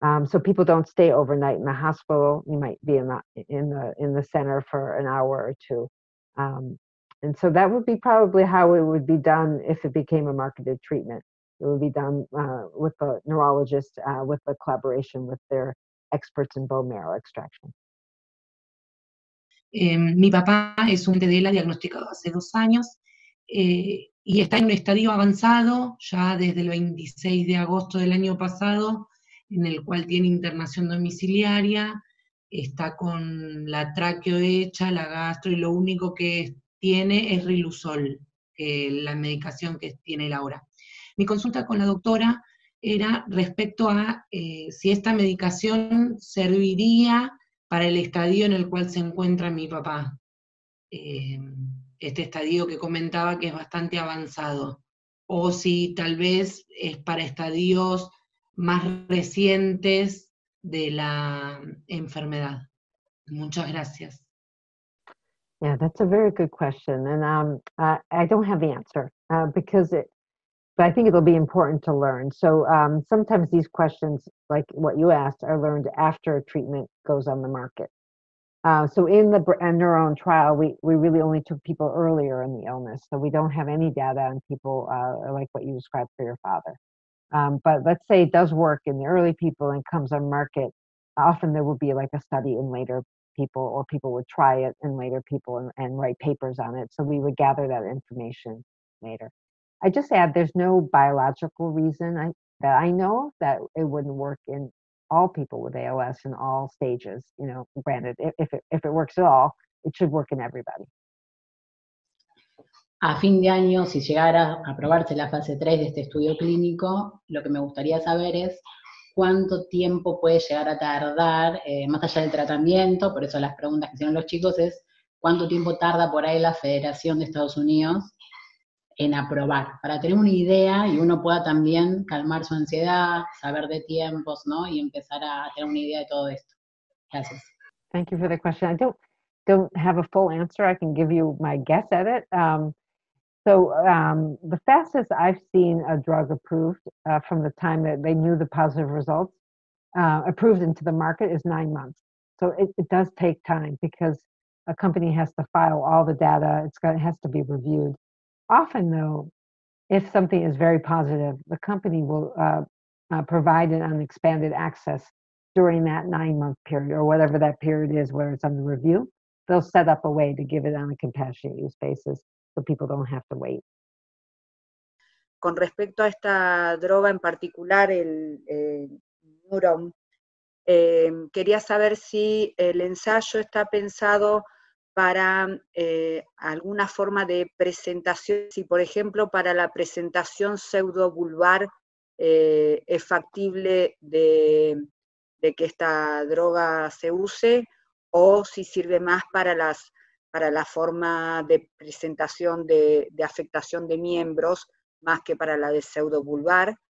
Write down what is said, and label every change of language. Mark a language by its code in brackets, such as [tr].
[en] So people don't stay overnight in the hospital. You might be in the center for an hour or two. And so that would be probably how it would be done if it became a marketed treatment. It would be done with the neurologist, with the collaboration with their experts in bone marrow extraction. [es] Mi papá es un TDLA diagnosticado hace 2 años y está en un estadio avanzado ya desde el 26 de agosto del año pasado, en el cual tiene internación domiciliaria, está con la tráqueo hecha, la gastro, y lo único que tiene es Riluzol, la medicación que tiene él ahora. Mi consulta con la doctora era respecto a si esta medicación serviría para el estadio en el cual se encuentra mi papá, este estadio que comentaba que es bastante avanzado, o si tal vez es para estadios más recientes de la enfermedad. Muchas gracias. [en] Yeah, that's a very good question, and I don't have the answer but I think it'll be important to learn. So sometimes these questions, like what you asked, are learned after a treatment goes on the market. So in the Neuron trial, we really only took people earlier in the illness. So we don't have any data on people like what you described for your father. But let's say it does work in the early people and comes on market. Often there will be like a study in later people, or people would try it in later people and write papers on it. So we would gather that information later. I just add, there's no biological reason that I know of that it wouldn't work in all people with ALS in all stages. You know, granted, if it works at all, it should work in everybody. [es] A fin de año, si llegara a aprobarse la fase 3 de este estudio clínico, lo que me gustaría saber es cuánto tiempo puede llegar a tardar, más allá del tratamiento, por eso las preguntas que hicieron los chicos es, ¿cuánto tiempo tarda por ahí la Federación de Estados Unidos en aprobar? Para tener una idea y uno pueda también calmar su ansiedad, saber de tiempos, ¿no? Y empezar a tener una idea de todo esto. Gracias. [en] Thank you for the question. I don't have a full answer. I can give you my guess at it. So the fastest I've seen a drug approved from the time that they knew the positive results approved into the market is 9 months. So it does take time because a company has to file all the data. It has to be reviewed. Often, though, if something is very positive, the company will provide an unexpanded access during that 9 month period or whatever that period is where it's under review. They'll set up a way to give it on a compassionate use basis so people don't have to wait. [es] Con respecto a esta droga en particular, el Neuron, quería saber si el ensayo está pensado para alguna forma de presentación, si por ejemplo para la presentación pseudo-vulvar es factible de que esta droga se use, o si sirve más para la forma de presentación de afectación de miembros, más que para la de pseudo-vulvar.